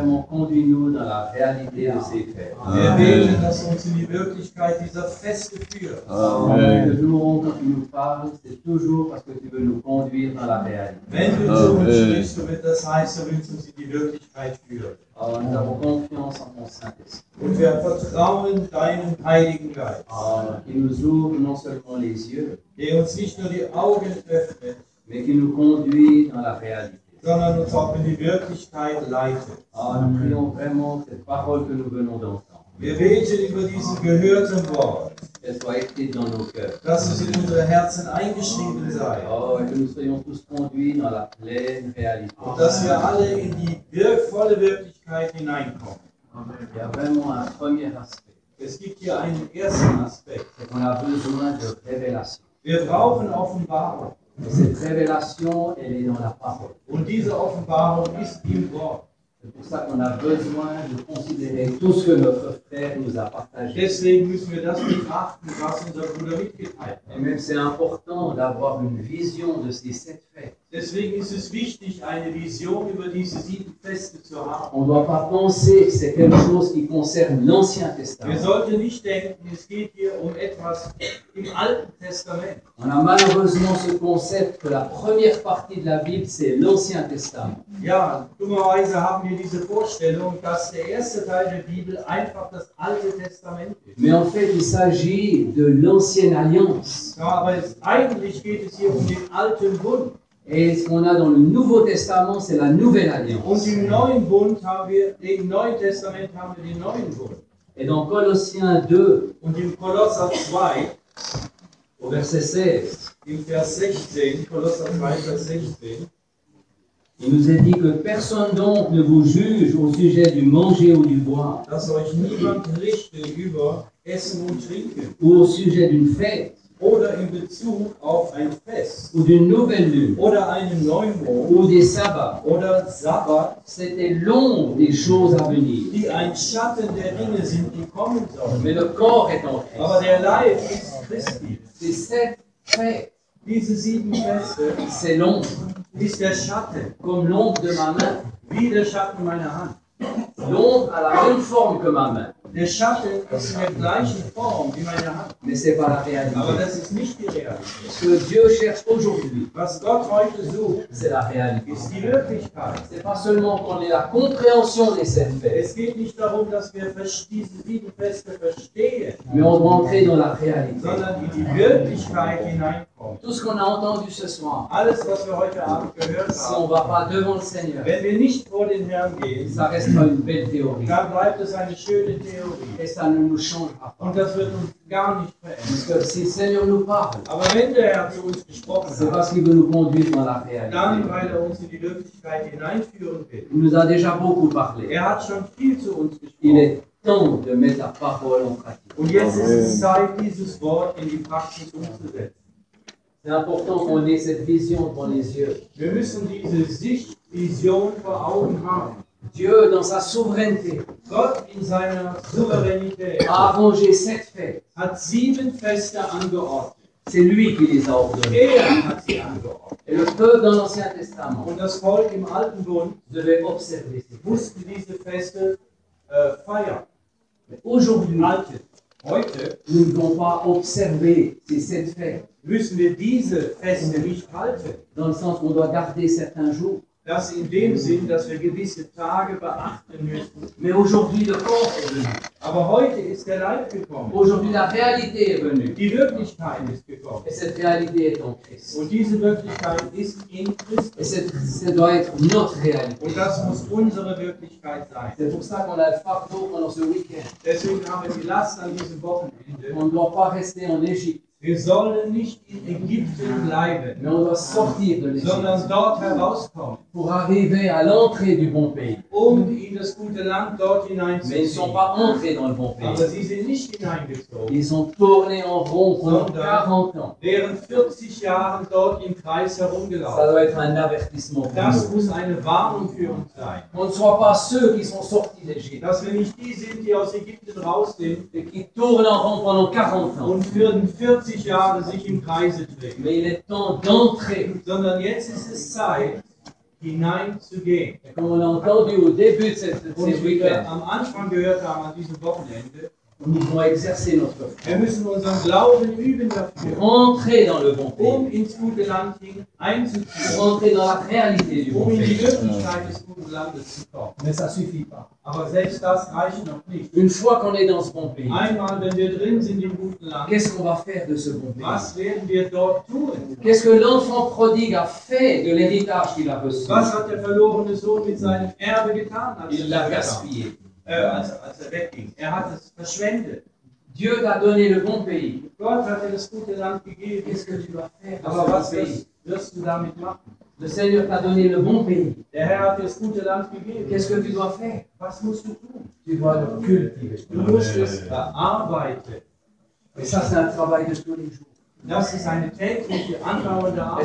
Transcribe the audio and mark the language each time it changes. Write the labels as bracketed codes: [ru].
[fr] Continue dans la réalité de ces fêtes. [de] Wir beten, dass uns in die Wirklichkeit dieser Feste führt. Du uns, [fr] quand tu nous parles, c'est toujours parce que tu veux nous conduire dans la réalité. [de] Wenn du zu uns sprichst, das heißt, du willst uns in die Wirklichkeit führen. Und wir haben [fr] Confiance en ton Saint-Esprit. [de] Und wir vertrauen deinem Heiligen Geist. [fr] Qui nous ouvre non seulement les yeux, [de] der uns nicht nur die Augen öffnet, [fr] mais qui nous conduit dans la réalité. [de] Sondern uns auch in die Wirklichkeit leitet. [fr] Nous prions vraiment cette parole que nous venons d'entendre. [de] Wir beten über diese gehörte Wort. Es war echt [fr] dans nos cœurs. [de] Dass es in unsere Herzen eingeschrieben sei. [fr] Et que nous soyons tous conduits dans la pleine réalité. [de] Und dass wir alle in die volle Wirklichkeit hineinkommen. Amen. [fr] Ja, vraiment un premier aspect. [de] Es gibt hier einen ersten Aspekt. [fr] C'est qu'on a besoin de révélation. [de] Wir brauchen Offenbarung. [fr] Et cette révélation, elle est dans la parole. [de] Und diese Offenbarung ist im Wort. [fr] C'est pour ça qu'on a besoin de considérer tout ce que notre frère nous a partagé. [de] Deswegen müssen wir das betrachten, was unser Bruder mitgeteilt hat. [fr] Et même c'est important d'avoir une vision de ces sept fêtes. [de] Deswegen ist es wichtig, eine Vision über diese sieben Feste zu haben. [fr] On doit pas penser que c'est quelque chose qui concerne l'Ancien Testament. [de] Wir sollten nicht denken, es geht hier um etwas im Alten Testament. [fr] On a malheureusement ce concept que la première partie de la Bible, c'est l'Ancien Testament. [de] Ja, dummerweise haben wir diese Vorstellung, dass der erste Teil der Bibel einfach das Alte Testament ist. [fr] Mais en fait, il s'agit de l'Ancienne Alliance. [de] Ja, aber eigentlich geht es hier um den Alten Bund. [fr] Et ce qu'on a dans le Nouveau Testament, c'est la Nouvelle Alliance. [de] Und im Neuen Bund haben wir, im Neuen Testament haben wir den Neuen Bund. [fr] Et dans Colossiens 2, [de] und im Kolosser 2, [fr] au verset 16, [de] im Vers 16, Kolosser 2, Vers 16, [fr] il nous est dit que personne donc ne vous juge au sujet du manger ou du boire. [de] Dass euch niemand richte über Essen und Trinken. [fr] Ou au sujet d'une fête. [de] Oder in Bezug auf ein Fest. Oder eine neue Lune. Oder einen neuen Mond. Oder Sabbat. Oder Sabbat. [fr] C'était l'ombre des choses à venir. [de] Die ein Schatten der Dinge sind, die kommen sollen. [fr] Mais le corps est en Christ. [de] Aber der Leib ist Christi. [fr] C'est cette fête. [de] Diese sieben Feste. [fr] C'est l'ombre. [de] Ist der Schatten. [fr] Comme l'ombre de ma main. [de] Wie der Schatten meiner Hand. [fr] L'ombre a la même forme que ma main. [de] Der Schatten ist in der gleichen Form wie meine Hand. [fr] Mais c'est pas la réalité. [de] Aber das ist nicht die Realität. [fr] Ce que Dieu cherche aujourd'hui, [de] was Gott heute sucht, [fr] c'est la réalité. [de] Ist die Wirklichkeit. [fr] C'est pas seulement qu'on ait la compréhension des sept faits. [de] Es geht nicht darum, dass wir diese sieben Feste verstehen. [fr] Mais on doit entrer dans la réalité. [de] Sondern in die Wirklichkeit hineinkommen. [fr] Tout ce qu'on a entendu ce soir, [de] alles, was wir heute Abend gehört haben, [fr] si on va pas devant le Seigneur, [de] wenn wir nicht vor den Herrn gehen, [fr] ça restera une belle théorie. [de] Dann bleibt es eine schöne Theorie. [fr] Et ça ne nous changera pas. [de] Und das wird uns gar nicht verändern. [fr] Parce que si le Seigneur nous parle, [de] aber wenn der Herr zu uns gesprochen hat, [fr] c'est parce qu'il veut nous conduire dans la réalité. [de] Dann, weil er uns in die Wirklichkeit hineinführen will. [fr] Il nous a déjà beaucoup parlé. [de] Er hat schon viel zu uns gesprochen. [fr] Il est temps de mettre la parole en pratique. [de] Und jetzt ist es Zeit, dieses Wort in die Praxis umzusetzen. [fr] C'est important qu'on ait cette vision dans les yeux. [de] Wir müssen diese Sicht, Vision vor Augen haben. [fr] Dieu dans sa souveraineté. [de] Gott in seiner Souveränität. [fr] A arrangé sept fêtes. [de] Hat sieben Feste angeordnet. [fr] C'est lui qui les a ordonnées. [de] Er hat sie angeordnet. [fr] Et le peuple dans l'Ancien Testament. [de] Und das Volk im Alten Bund. [fr] Devait observer. [de] Mussten diese Feste feiern. [fr] Aujourd'hui. [de] Alte. Heute. [fr] Nous ne devons pas observer ces sept fêtes. [de] Müssen wir diese Feste nicht halten. [fr] Dans le sens qu'on doit garder certains jours. [de] Das in dem Sinn, dass wir gewisse Tage beachten müssen. [fr] Mais aujourd'hui le corps est venu. [de] Aber heute ist der Leib gekommen. [fr] Aujourd'hui la réalité est venue. [de] Die Wirklichkeit ist gekommen. [fr] Et cette réalité est en Christ. [de] Und diese Wirklichkeit ist in Christus. [fr] Et cette doit être notre réalité. [de] Und das muss unsere Wirklichkeit sein. [fr] C'est pour ça qu'on a le fardeau pendant ce week-end. [de] Deswegen haben wir die Last an diesem Wochenende. [fr] On ne doit pas rester en Égypte. [de] Wir sollen nicht in Ägypten bleiben, sondern dort herauskommen, [fr] pour arriver à l'entrée du bon pays. [de] Um in das gute Land dort hineinzugehen. [fr] Mais ils sont pas entrés dans le bon pays. [de] Aber sie sind nicht hineingezogen. [fr] Ils ont tourné en rond pendant 40 ans. [de] Während 40 Jahren dort im Kreis herumgelaufen. [fr] Ça doit être un avertissement. [de] Das muss eine Warnung für uns sein. [fr] On ne soit pas ceux qui sont sortis d'Égypte. [de] Dass wir nicht die sind, die aus Ägypten raus sind, [fr] et qui tournent en rond pendant 40 ans. [de] Und für 40 Jahre sich im Kreise drehen. [fr] Mais il est temps d'entrer. [de] Sondern jetzt ist es Zeit, hineinzugehen. [fr] Et comme on l'a entendu au début de cette [de] semaine, am Anfang gehört haben an diesem Wochenende, [fr] nous devons exercer notre foi. [de] Wir müssen unseren Glauben üben dafür. [fr] Entrer dans le bon pays. [de] Um ins gute Land hineinzugehen. [fr] Entrer dans la réalité du bon pays. [de] Um in die Wirklichkeit des guten Landes zu kommen. [fr] Mais ça suffit pas. [de] Aber selbst das reicht noch nicht. [fr] Une fois qu'on est dans ce bon pays. [de] Einmal, wenn wir drin sind im guten Land. [fr] Qu'est-ce qu'on va faire de ce bon pays? [de] Was werden wir dort tun? [fr] Qu'est-ce que l'enfant prodigue a fait de l'héritage qu'il a reçu? [de] Was hat der verlorene Sohn mit seinem Erbe getan? [fr] Il l'a gaspillé. [de] Als er wegging. Er hat es verschwendet. [fr] Dieu t'a donné le bon pays. [de] Gott hat dir das gute Land gegeben. [fr] Qu'est-ce que tu dois faire? [de] Aber was wirst du damit machen? [fr] Le Seigneur t'a donné le bon pays. [de] Der Herr hat dir das gute Land gegeben. [fr] Qu'est-ce que tu dois faire? [de] Was musst du tun? [fr] Tu dois le cultiver. [de] Du musst es bearbeiten. [fr] Et ça, c'est un travail de tous les jours. [de] Das ist eine tägliche, andauernde Arbeit.